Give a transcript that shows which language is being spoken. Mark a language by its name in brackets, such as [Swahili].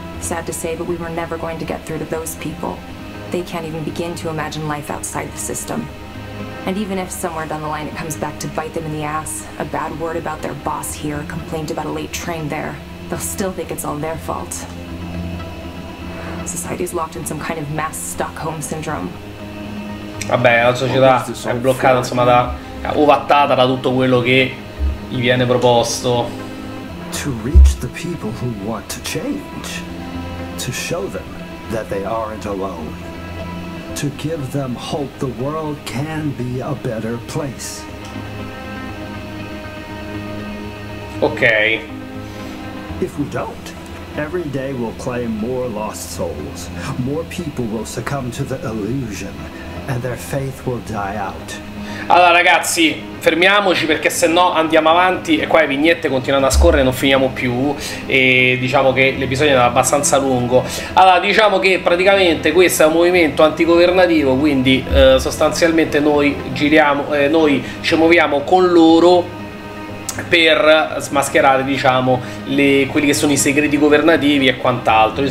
[English] Sad to say, but we were never going to get through to those people. They can't even begin to imagine life outside the system. And even if somewhere down the line it comes back to bite them in the ass, a bad word about their boss here, a complaint about a late train there, they'll still think it's all their fault. Society's locked in some kind of mass Stockholm syndrome. [Italian] Vabbè, la società è bloccata, insomma, da ovattata da tutto quello che gli viene proposto. [English] To reach the people who want to change, to show them that they aren't alone, to give them hope the world can be a better place. Ok. If we don't, every day we'll claim more lost souls, more people will succumb to the illusion, and their faith will die out. [Italian] Allora ragazzi, fermiamoci, perché se no andiamo avanti e qua le vignette continuano a scorrere e non finiamo più, e diciamo che l'episodio è abbastanza lungo. Allora, diciamo che praticamente questo è un movimento antigovernativo, quindi sostanzialmente noi ci muoviamo con loro per smascherare, diciamo, quelli che sono i segreti governativi e quant'altro.